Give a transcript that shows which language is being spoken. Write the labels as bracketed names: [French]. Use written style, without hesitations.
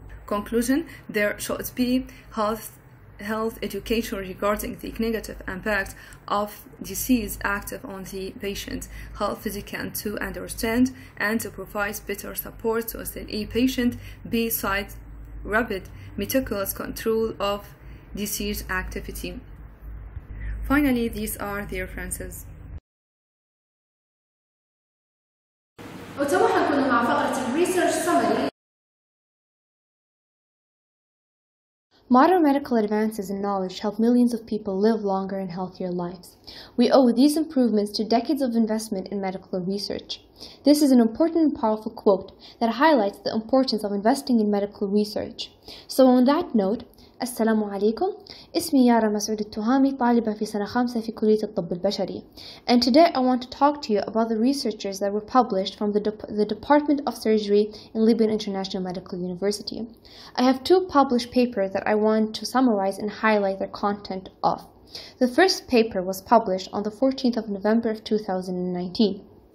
[English] Conclusion: there should be health education regarding the negative impact of disease active on the patient, health physician to understand and to provide better support to SLE patient, besides rapid meticulous control of disease activity. Finally, these are the references. [Arabic] وتوحى كنا مع فقرة الريسيرش سمري. [English] Modern medical advances and knowledge help millions of people live longer and healthier lives. We owe these improvements to decades of investment in medical research. This is an important and powerful quote that highlights the importance of investing in medical research. So on that note, Assalamu alaikum. [Arabic] اسمي يارا مسعود التهامي طالبة في سنة خامسة في كلية الطب البشري. [English] And today I want to talk to you about the researchers that were published from the Department of Surgery in Liban International Medical University. I have two published papers that I want to summarize and highlight their content of. The first paper was published on the 14th of November of 2019.